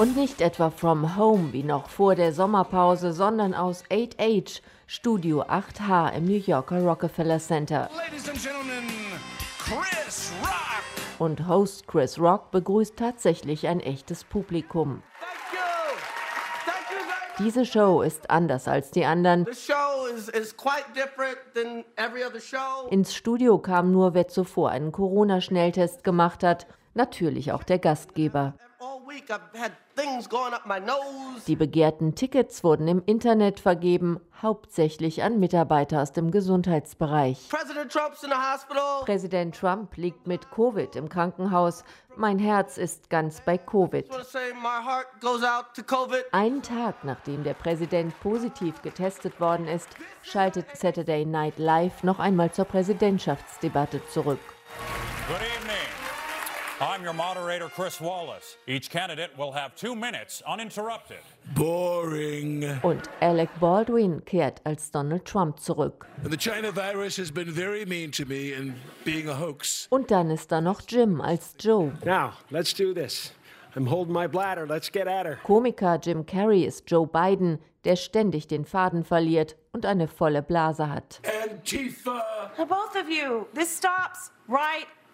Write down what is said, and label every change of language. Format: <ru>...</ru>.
<de>Und nicht etwa From Home wie noch vor der Sommerpause, sondern aus 8H, Studio 8H im New Yorker Rockefeller Center.</de> <en>Ladies and Gentlemen, Chris Rock!</en> <de>Und Host Chris Rock begrüßt tatsächlich ein echtes Publikum.</de> <en>Thank you. Thank you.</en> <de>Diese Show ist anders als die anderen.</de> <en>The show is quite different than every other show.</en> <de>Ins Studio kam nur, wer zuvor einen Corona-Schnelltest gemacht hat. Natürlich auch der Gastgeber. Die begehrten Tickets wurden im Internet vergeben, hauptsächlich an Mitarbeiter aus dem Gesundheitsbereich.</de> <en>President Trump's in the hospital.</en> <de>Präsident Trump liegt mit Covid im Krankenhaus. Mein Herz ist ganz bei Covid. Einen Tag nachdem der Präsident positiv getestet worden ist, schaltet Saturday Night Live noch einmal zur Präsidentschaftsdebatte zurück.</de> <en>Good evening. I'm your moderator, Chris Wallace. Each candidate will have 2 minutes uninterrupted. Boring.</en> <de>Und Alec Baldwin kehrt als Donald Trump zurück.</de> <en>And the China virus has been very mean to me and being a hoax.</en> <de>Und dann ist da noch Jim als Joe.</de> <en>Now, let's do this. I'm holding my bladder. Let's get at her.</en> <de>Komiker Jim Carrey ist Joe Biden, der ständig den Faden verliert und eine volle Blase hat.</de> <en>Antifa! Both of you, this stops right</en>